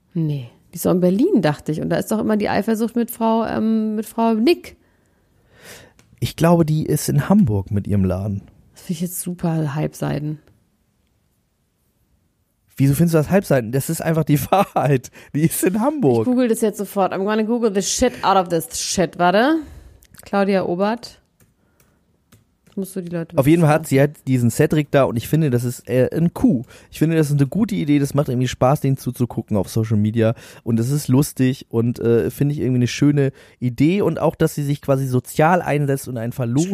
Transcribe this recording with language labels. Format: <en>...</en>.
<de>Nee, die ist doch in Berlin, dachte ich. Und da ist doch immer die Eifersucht mit Frau Nick. Ich glaube, die ist in Hamburg mit ihrem Laden. Das finde ich jetzt super Halbseiden. Wieso findest du das Halbseiden? Das ist einfach die Wahrheit. Die ist in Hamburg. Ich google das jetzt sofort.</de> <en>I'm gonna google the shit out of this shit.</en> <de>Warte. Claudia Obert. Das musst du die Leute wissen. Auf jeden Fall hat sie halt diesen Cedric da und ich finde, das ist ein Coup. Ich finde, das ist eine gute Idee. Das macht irgendwie Spaß, den zuzugucken auf Social Media. Und es ist lustig und finde ich irgendwie eine schöne Idee. Und auch, dass sie sich quasi sozial einsetzt und einen verlorenen</de>